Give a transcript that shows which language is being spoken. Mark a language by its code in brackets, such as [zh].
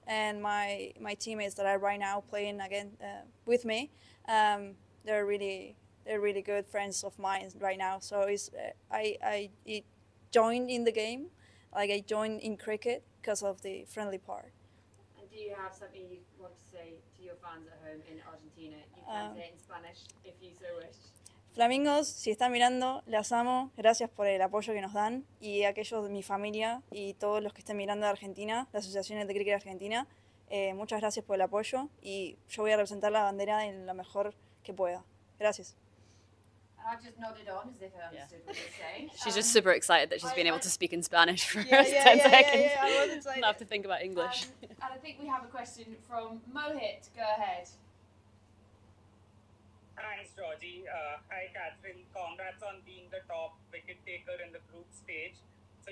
[en] And my teammates that are right now playing again with me, they're really good friends of mine right now. So I joined in the game, like I joined in cricket because of the friendly part. And do you have something you want to say to your fans at home in Argentina? You can say it in Spanish if you so wish. [es] Flamingos, si están mirando, las amo, gracias por el apoyo que nos dan, y aquellos de mi familia y todos los que estén mirando de Argentina, las asociaciones de cricket Argentina, muchas gracias por el apoyo y yo voy a representar la bandera en lo mejor que pueda. Gracias. [en] I've just nodded on as if I understood what you're saying. She's just super excited that she's been able to speak in Spanish for ten seconds. Yeah, I was excited. Not have to think about English. And I think we have a question from Mohit, go ahead. Thanks, Georgie. Hi, Catherine. Congrats on being the top wicket taker in the group stage. So